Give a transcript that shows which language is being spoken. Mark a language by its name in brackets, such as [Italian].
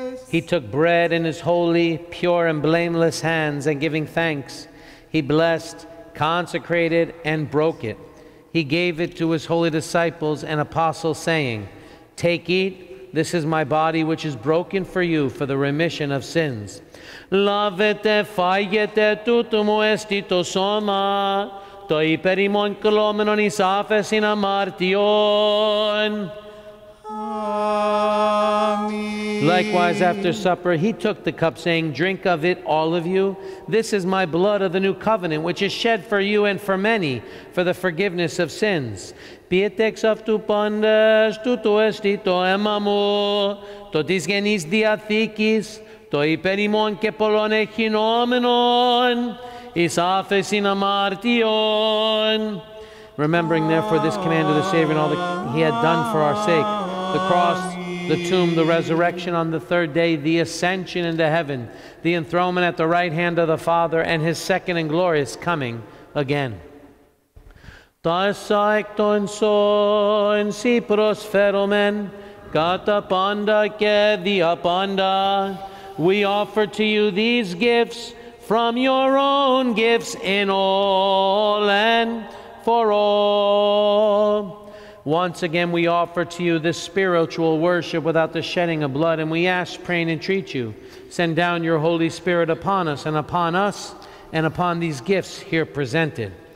[English] He took bread in his holy, pure, and blameless hands, and giving thanks, he blessed, consecrated, and broke it. He gave it to his holy disciples and apostles, saying, Take, eat, this is my body, which is broken for you for the remission of sins. [Greek] Λάβετε, φάγετε, τούτο μου εστί το σώμα, το υπέρ ημών κλώμενον εις άφεσιν αμαρτιών. [English] Amen. Likewise, after supper, he took the cup, saying, drink of it, all of you. This is my blood of the new covenant, which is shed for you and for many for the forgiveness of sins. [Greek] Πιέτε εξ αυτού πάντας, τούτο εστί το αίμα μου, το της γενής διαθήκης, το υπέρ ημών και πολλών εχινόμενων, εις άφεσιν αμαρτιών. [English] Remembering, therefore, this command of the Savior and all that he had done for our sake, the cross, the tomb, the resurrection on the third day, the ascension into heaven, the enthronement at the right hand of the Father, and his second and glorious coming again. [Greek] Τάσα εκ των σών σοι προσφέρομεν κατά πάντα και δια πάντα. [English] We offer to you these gifts from your own gifts in all and for all. Once again, we offer to you this spiritual worship without the shedding of blood, and we ask, pray, and entreat you, send down your Holy Spirit upon us and upon us and upon these gifts here presented.